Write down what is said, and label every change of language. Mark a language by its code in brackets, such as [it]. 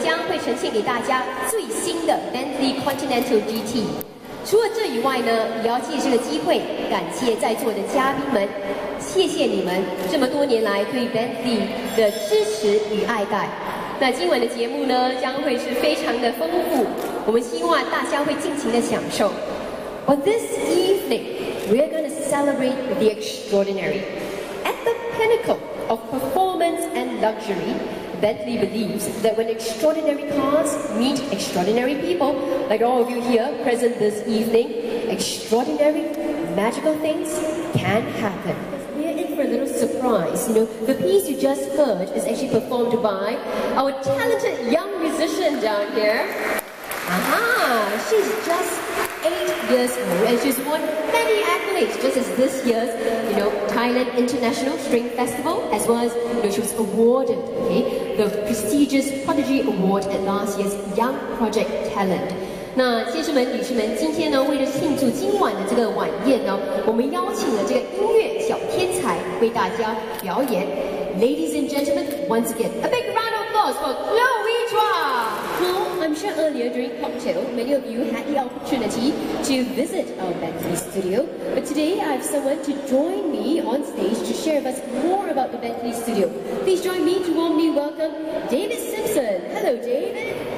[zh] 谢谢各位抽空出席今晚的庆祝晚宴，我是周昭慧，很荣幸当您的司仪。那今晚呢，我们将会呈现给大家最新的 Bentley Continental GT。除了这以外呢，也要借这个机会感谢在座的嘉宾们，谢谢你们这么多年来对 Bentley 的支持与爱戴。那今晚的节目呢，将会是非常的丰富，我们希望大家会尽情的享受。 [en] But this evening, we are going to celebrate the extraordinary. At the pinnacle of performance and luxury, Bentley believes that when extraordinary cars meet extraordinary people, like all of you here present this evening, extraordinary, magical things can happen. We're in for a little surprise. You know, the piece you just heard is actually performed by our talented young musician down here. Aha! She's just 8 years old, and she's won many accolades, just as this year's, you know, Thailand International String Festival, as well as, you know, she was awarded, okay, the prestigious Prodigy Award at last year's Young Project Talent. [zh] 那先生们、女士们，今天呢，为了庆祝今晚的这个晚宴呢，我们邀请了这个音乐小天才为大家表演。 [en] Ladies and gentlemen, once again, a big round of applause for Chloe Chua! I'm sure earlier during cocktail, many of you had the opportunity to visit our Bentley studio. But today, I have someone to join me on stage to share with us more about the Bentley studio. Please join me to warmly welcome David Simpson. Hello, David.